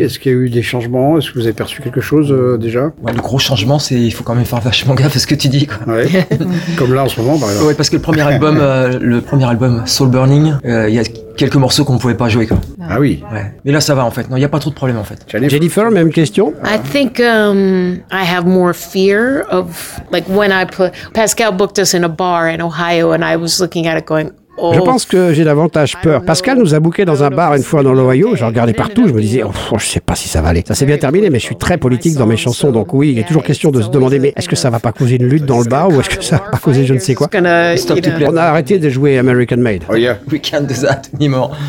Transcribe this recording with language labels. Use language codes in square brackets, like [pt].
[fr] Est-ce qu'il y a eu des changements? Est-ce que vous avez perçu quelque chose déjà? Ouais, le gros changement, c'est il faut quand même faire vachement gaffe à ce que tu dis. Quoi. Ouais. Comme là en ce moment, par exemple. Ouais, parce que le premier album, Soul Burning, il y a quelques morceaux qu'on pouvait pas jouer. Quoi. Ah oui. Ouais. Mais là, ça va en fait. Non, il y a pas trop de problèmes en fait. Jennifer, même question. [en] I think I have more fear of like when I put Pascal booked us in a bar in Ohio and I was looking at it going. [fr] Je pense que j'ai davantage peur. Pascal nous a booké dans un bar une fois dans l'Ohio. Je regardais partout, je me disais, oh, je sais pas si ça va aller. Ça s'est bien terminé, mais je suis très politique dans mes chansons, donc oui, il est toujours question de se demander, mais est-ce que ça va pas causer une lutte dans le bar ou est-ce que ça va pas causer je ne sais quoi? On a arrêté de jouer American Made. [en] Oh yeah, we can't do that anymore.